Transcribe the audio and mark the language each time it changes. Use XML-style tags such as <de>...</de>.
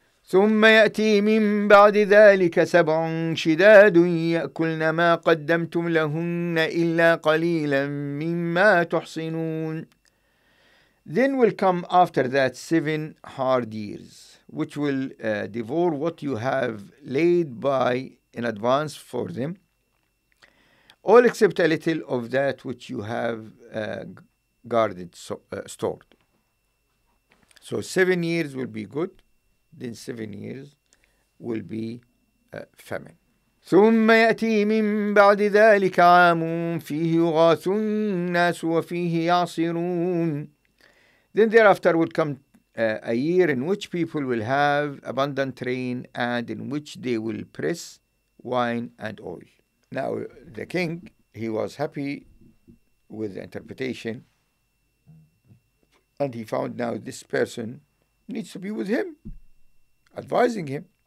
<ar>ثم يأتي من بعد ذلك سبع شداد يأكلن ما قدمتم لهن إلا قليلا مما تحصنون.</ar> <en>Then will come after that seven hard years, which will devour what you have laid by in advance for them, all except a little of that which you have guarded, stored. So 7 years will be good, then 7 years will be famine.</en> <ar>ثم يأتي من بعد ذلك عام فيه يغاث الناس وفيه يعصرون.</ar> <en>Then thereafter will come a year in which people will have abundant rain and in which they will press wine and oil. Now the king, he was happy with the interpretation, and he found now this person needs to be with him, advising him.</en>